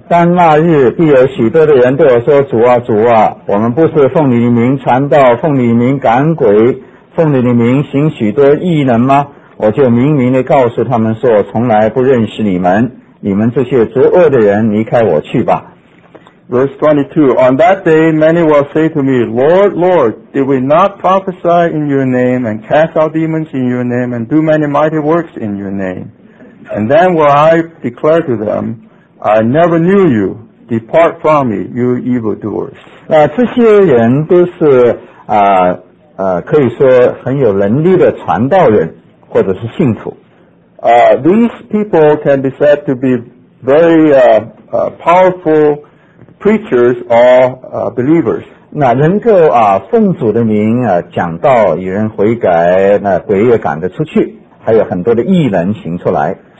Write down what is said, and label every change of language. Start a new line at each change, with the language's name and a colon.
Chinese: 当那日必有许多的人对我说，主啊主啊，我们不是奉你的名传道，奉你的名赶鬼，奉你的名行许多异能吗？我就明明地告诉他们说，我从来不认识你们，你们这些作恶的人，离开我去吧。
English: Verse 22. On that day many will say to me, Lord, Lord, did we not prophesy in your name and cast out demons in your name and do many mighty works in your name? And then will I declare to them, I never knew you. Depart from me, you evildoers.
Chinese: 这些人都是可以说很有能力的传道人或者是信徒。
English: These people can be said to be very powerful preachers or believers.
Chinese: 那能够奉主的名讲道，与人悔改，那鬼也赶得出去，还有很多的异能行出来。